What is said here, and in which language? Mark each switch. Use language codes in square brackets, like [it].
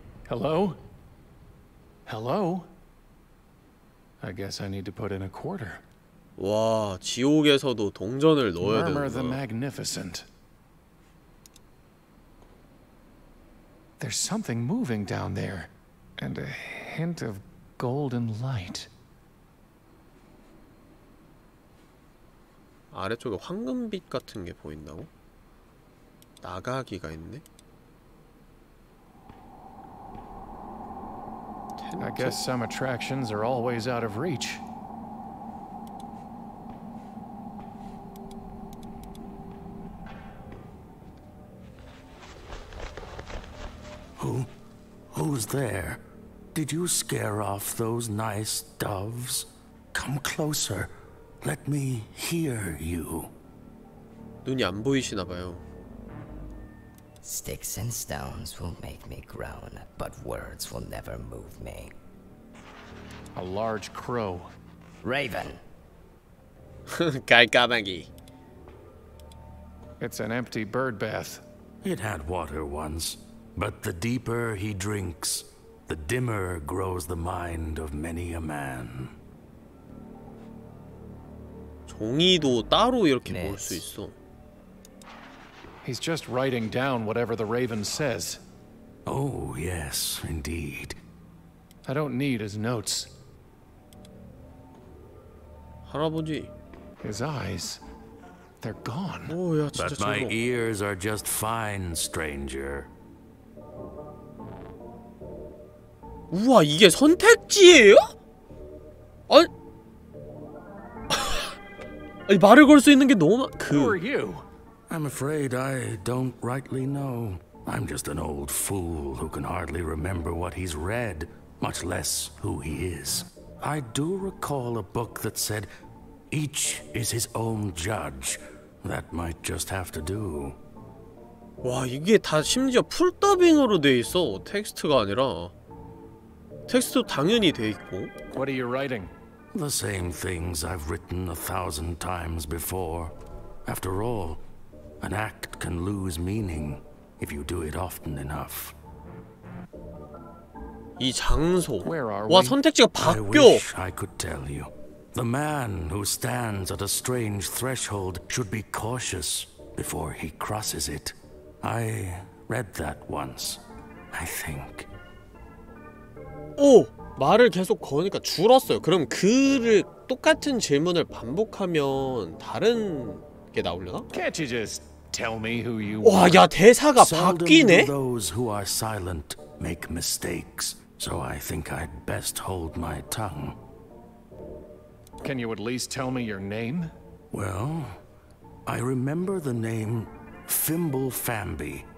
[en] 헬로? 헬로? I guess I need to put in a quarter. [ko] 와, 지옥에서도 동전을 넣어야 되는 거야. [en] The magnificent. There's something moving down there and a hint of golden light. [ko] 아래쪽에 황금빛 같은 게 보인다고? 나가기가 있네. [en] 텐트? I guess some attractions are always out of reach. 어? Who's there? Did you scare off those nice doves? Come closer. Let me hear you. [ko] 눈이 안 보이시나 봐요. [en] Sticks and stones will make me groan, but words will never move me. A large crow. Raven. [ko] 깔까마귀. [en] It's an empty bird bath. It had water once. But the deeper he drinks, the dimmer grows the mind of many a man. [ko] 종이도 따로 이렇게 모을 수 있어. [en] He's just writing down whatever the raven says. Oh, yes, indeed. I don't need his notes. [ko] 할아버지. [en] His eyes. They're gone. [ko] 오, 야, 진짜 [en] But my [ko] 저거. [en] Ears are just fine, stranger. [ko] 우와, 이게 선택지예요? 아니, 말을 걸 수 있는 게 너무 그 [en] Who are you? I'm afraid I don't rightly know. I'm just an old fool who can hardly remember what he's read, much less who he is. I do recall a book that said each is his own judge. That might just have to do. [ko] 와, 이게 다 심지어 풀 더빙으로 돼 있어. 텍스트가 아니라 텍스트도 당연히 돼 있고. [en] What are you writing? The same things I've written a thousand times before. After all, an act can lose meaning if you do it often enough. [ko] 이 장소. [en] Where are we? [ko] 와, 선택지가 바뀌어. [en] I wish I could tell you. The man who stands at a strange threshold should be cautious before he crosses it. I read that once, I think. 오! [ko] 말을 계속 거니까 줄었어요. 그럼 그를 똑같은 질문을 반복하면 다른 게 나오려나? [en] Can't you just tell me who you are? [ko] 와, 야, 대사가 바뀌네? [en] Seldom those who are silent make mistakes, so I think I'd best hold my tongue. Can you at least tell me your name? Well, I remember the name Fimble Famby.